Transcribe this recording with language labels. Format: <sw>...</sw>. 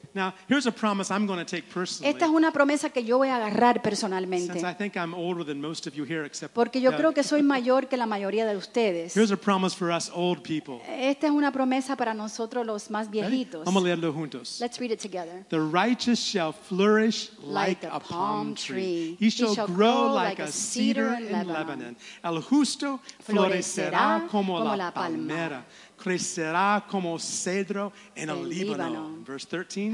<en>Now, here's a promise I'm going to take personally.</en> <es>Esta es una promesa que yo voy a agarrar personalmente.</es> <en>Since I think I'm older than most of you here, except</en> <es>porque yo creo que soy mayor que la mayoría de ustedes.</es> <en>Here's a promise for us old people.</en> <es>Esta es una promesa para nosotros los más viejitos. Vamos a leerlo juntos.</es> <en>Let's read it together. The righteous shall flourish like a palm tree. He shall grow like a cedar in Lebanon.</en> <es>El justo florecerá como la palmera. Crecerá como cedro en el Líbano.</es> <en>Verse 13.</en>